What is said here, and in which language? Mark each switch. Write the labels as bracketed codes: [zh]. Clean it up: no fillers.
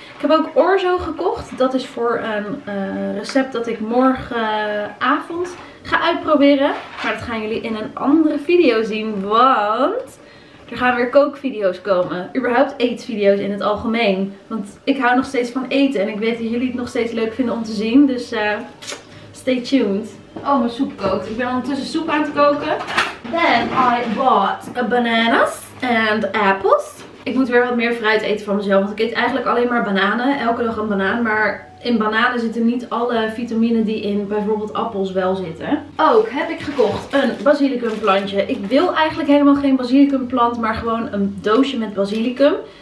[nl] Ik heb ook orzo gekocht. Dat is voor een recept dat ik morgenavond ga uitproberen. Maar dat gaan jullie in een andere video zien. Want er gaan weer kookvideo's komen. Überhaupt eetvideo's in het algemeen. Want ik hou nog steeds van eten en ik weet dat jullie het nog steeds leuk vinden om te zien. Dus [en] stay tuned. [nl] Oh, mijn soep kookt. Ik ben ondertussen soep aan het koken. [en] Then I bought bananas and apples. [nl] Ik moet weer wat meer fruit eten van mezelf, want ik eet eigenlijk alleen maar bananen. Elke dag een banaan, maar in bananen zitten niet alle vitamine die in bijvoorbeeld appels wel zitten. Ook heb ik gekocht een basilicumplantje. Ik wil eigenlijk helemaal geen basilicumplant, maar gewoon een doosje met basilicum.